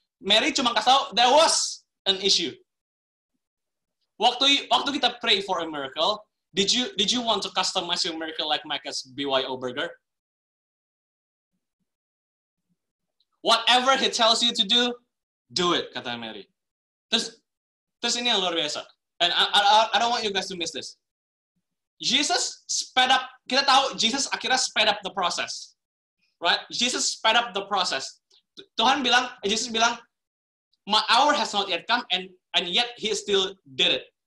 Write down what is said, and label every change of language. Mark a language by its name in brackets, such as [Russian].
[Indonesian] Mary cuma kasih tahu [English] there was an issue. [Indonesian] Waktu kita [English] pray for a miracle, did you want to customize your miracle like Micah's BYO burger? Whatever he tells you to do, do it, [Indonesian] kata Mary. Terus ini yang luar biasa. [English] And I don't want you guys to miss this. Jesus sped up. [Indonesian] Kita tahu Jesus akhirnya [English] sped up the process, right? Jesus sped up the process. [Indonesian] Tuhan bilang, Jesus bilang, [English] my hour has not yet come, and yet he still did it.